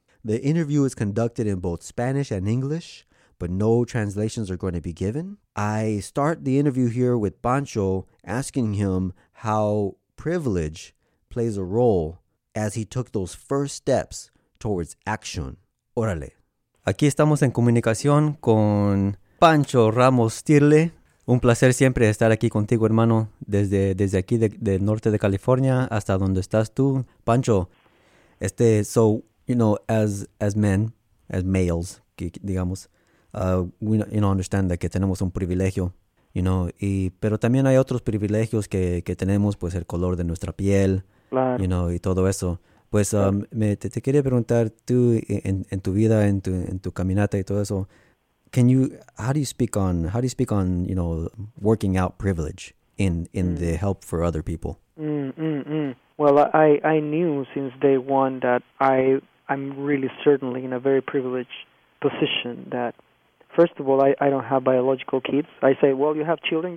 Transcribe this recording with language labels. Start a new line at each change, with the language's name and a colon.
English: The interview is conducted in both Spanish and English, but no translations are going to be given. I start the interview here with Pancho asking him how privilege plays a role as he took those first steps towards action.
Spanish: Órale. Aquí estamos en comunicación con Pancho Ramos Stirle. Un placer siempre estar aquí contigo, hermano, desde aquí de norte de California hasta donde estás tú.
English: Pancho, so, you know, as men, as males,
Spanish: digamos,
English: we, you know, understand that
Spanish: que tenemos un privilegio,
English: you know,
Spanish: y, pero también hay otros privilegios que tenemos, pues el color de nuestra piel, Claro.
English: You know,
Spanish: y todo eso. Pues te quería preguntar tú en tu vida, en tu caminata y todo eso.
English: How do you speak on you know, working out privilege in the help for other people? Well, I knew since day one that I'm really certainly in a very privileged position. That first of all, I don't have biological kids. I say, well, you have children.